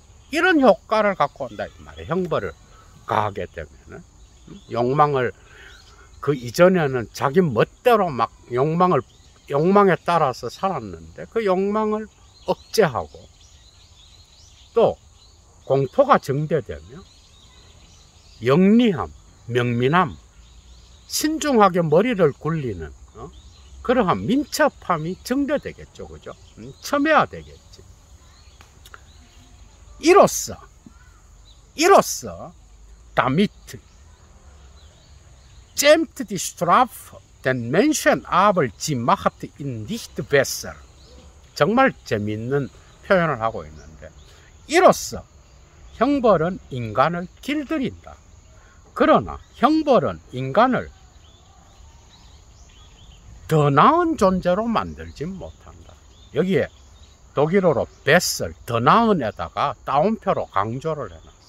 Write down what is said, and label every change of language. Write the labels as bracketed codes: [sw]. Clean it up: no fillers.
[ko] 이런 효과를 갖고 온다, 이 말이에요. 형벌을 가하게 되면은 욕망을, 그 이전에는 자기 멋대로 막 욕망을, 욕망에 따라서 살았는데 그 욕망을 억제하고, 또 공포가 증대되며 영리함, 명민함, 신중하게 머리를 굴리는 그러한 민첩함이 증대되겠죠, 그죠? 첨예화 되겠지. 이로써 [de] damit zähmt die Strafe den Menschen aber sie macht ihn nicht besser. [ko] 정말 재미있는 표현을 하고 있는데, 이로써 형벌은 인간을 길들인다. 그러나 형벌은 인간을 더 나은 존재로 만들지 못한다. 여기에 독일어로 besser, 더 나은에다가 따옴표로 강조를 해놔.